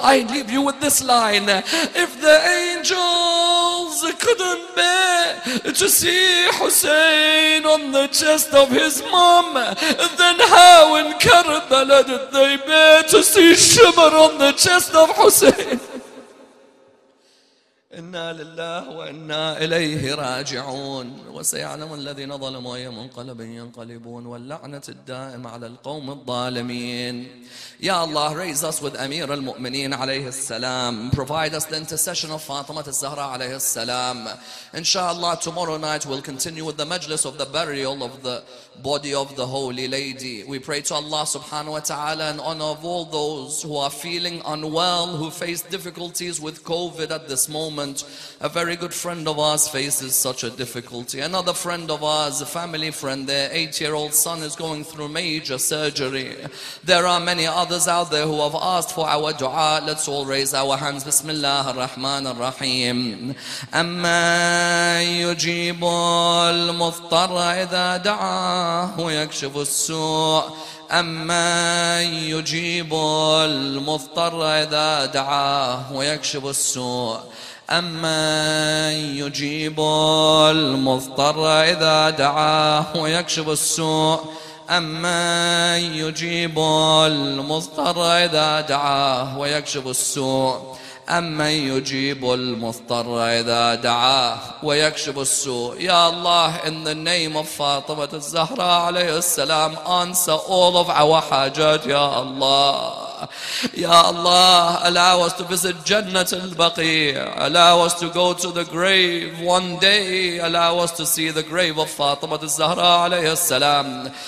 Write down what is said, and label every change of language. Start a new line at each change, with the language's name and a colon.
English: I leave you with this line. If the angels couldn't bear to see Hussein on the chest of his mom, then how in Karbala did they bear to see Shimmer on the chest of Hussein?
Arabic: إنا لله وإنا إليه راجعون وسيعلم الذين ظلموا أي منقلب ينقلبون واللعنة الدائمة على القوم الظالمين. يا الله,
English: raise us with أمير المؤمنين عليه السلام. Provide us the intercession of فاطمة الزهراء عليه السلام.
Arabic: إن شاء الله,
English: tomorrow night we'll continue with the majlis of the burial of the body of the holy lady. We pray to Allah subhanahu wa ta'ala in honor of all those who are feeling unwell, who face difficulties with COVID at this moment. A very good friend of ours faces such a difficulty. Another friend of ours, a family friend, their 8-year-old son is going through major surgery. There are many others out there who have asked for our dua. Let's all raise our hands. Bismillah ar-Rahman ar-Rahim.
Arabic: Amma yujibu al-muftara idha da'a ويكشف السوء أمن يجيب المضطر إذا دعاه ويكشف السوء أمن يجيب المضطر إذا دعاه ويكشف السوء أمن يجيب المضطر إذا دعاه ويكشف السوء أمن يجيب المضطر إذا دعاه ويكشف السوء. يا الله,
English: in the name of فاطمة الزهراء عليه السلام, answer all of our حاجات.
Arabic: يا الله, يا الله,
English: allow us to visit
Arabic: جنة البقيع.
English: Allow us to go to the grave one day. Allow us to see the grave of فاطمة الزهراء عليه السلام.